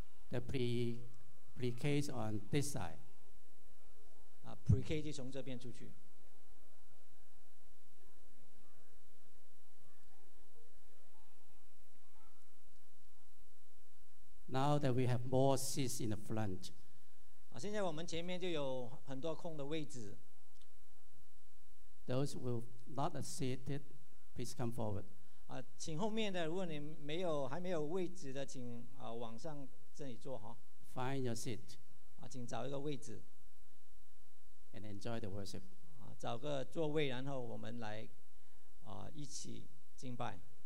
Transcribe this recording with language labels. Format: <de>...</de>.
<en>The pre-K is on this side.</en> <zh>Pre-K 就从这边出去。</zh> <en>Now that we have more seats in the front.</en> <zh>现在我们前面就有很多空的位置。</zh> <en>Those who are not seated, please come forward.</en> <zh>请后面的, 如果你没有, 还没有位置的, 请, 往上这里坐, 哦。</zh> <en>Find your seat.</en> <zh>请找一个位置。</zh> <en>And enjoy the worship.</en> <zh>找个座位, 然后我们来, 一起敬拜。</zh>